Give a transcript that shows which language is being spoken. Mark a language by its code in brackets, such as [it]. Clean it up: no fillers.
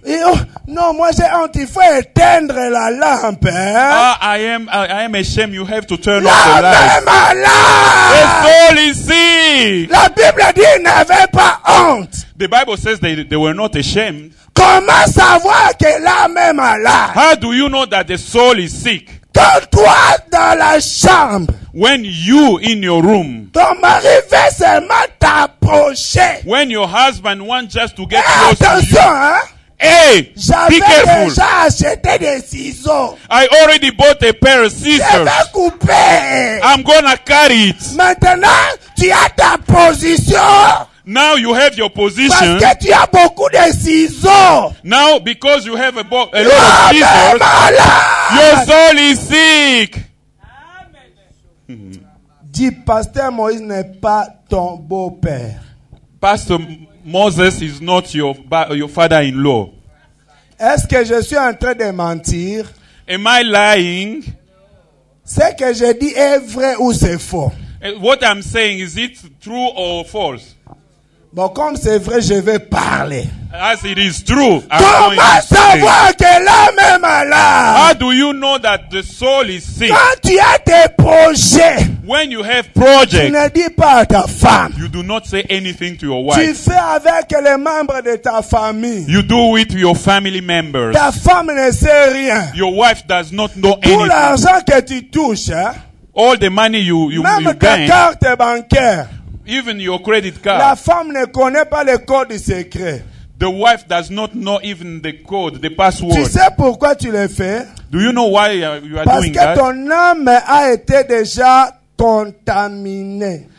[fr] Oh, non, moi j'ai honte, il faut éteindre la lampe. [en] I am ashamed, you have to turn off the light. [fr] L'âme est malade. [en] The soul is sick. [fr] La Bible dit qu'ils n'avaient pas honte. [en] The Bible says they were not ashamed. [fr] Comment savoir que l'âme est malade? [en] How do you know that the soul is sick? [fr] Quand toi dans la chambre. [en] When you in your room. [fr] Ton mari veut seulement t'approcher. [en] When your husband wants just to get close to you. [fr] Attention, hein. Hey, j'avais [en] be careful. [fr] Déjà acheté des ciseaux. [en] I already bought a pair of scissors. [fr] Je vais couper. [en] I'm gonna cut it. [fr] Maintenant, tu as ta position. [en] Now you have your position. [fr] Parce que tu as beaucoup de ciseaux. [en] Now because you have a lot of scissors. Your soul is sick. [fr] Dis, Pasteur Moïse n'est pas ton beau-père. [en] Pastor Moses is not your father-in-law. [fr] Est-ce que je suis en train de mentir? [en] Am I lying? [fr] Ce que je dis est vrai ou c'est faux? [en] What I'm saying, is it true or false? [fr] Bon, comme c'est vrai, je vais parler. [en] As it is true, [fr] comment savoir que l'âme est malade? [en] How do you know that the soul is sick? [fr] Quand tu as tes projets. [en] When you have projects. [fr] Tu ne dis pas à ta femme. [en] You do not say anything to your wife. [fr] Tu fais avec les membres de ta famille. [en] You do it with your family members. [fr] Ta femme ne sait rien. [en] Your wife does not know [fr] tout [en] anything. [fr] Tout l'argent que tu touches. Hein? [en] All the money you gain. [fr] Même ta carte bancaire. [en] Even your credit card. [fr] La femme ne connaît pas le code secret. [en] The wife does not know even the code, the password. [fr] Tu sais pourquoi tu le fais? [en] Do you know why you are [fr] parce [en] doing that? [fr] Parce que ton âme a été déjà contaminée.